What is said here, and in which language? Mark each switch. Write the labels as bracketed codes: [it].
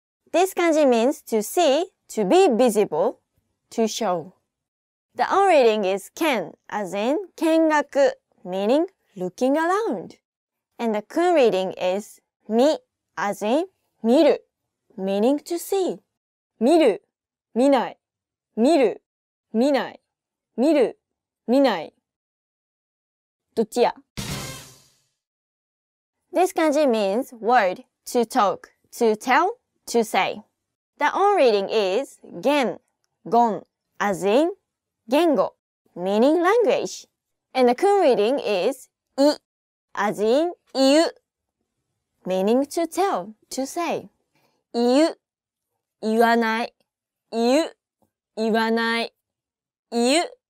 [en] This kanji means to see, to be visible, to show. The on reading is ken, as in 見学, meaning looking around. And the kun reading is 見, as in 見る, meaning to see. [ja] 見る, 見ない, 見る, 見ない, 見る, 見ない, どっちや? [en] This kanji means word, to talk, to tell, to say. The on reading is gen, gon, as in 言語, meaning language. And the kun reading is I, as in 言う, meaning to tell, to say. [ja] 言う, 言わない, 言う, 言わない, 言う.